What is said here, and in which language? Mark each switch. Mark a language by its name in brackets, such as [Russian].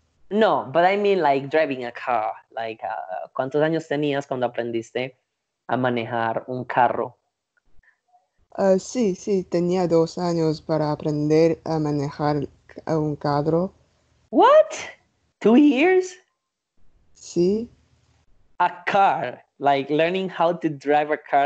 [English] No, but I mean like driving a car. [Spanish] Like, ¿cuántos años tenías cuando aprendiste a manejar un carro? Sí, tenía 2 años para aprender a manejar un carro. [English] What? 2 years? [Spanish] Sí. [English] A car, like learning how to drive a car.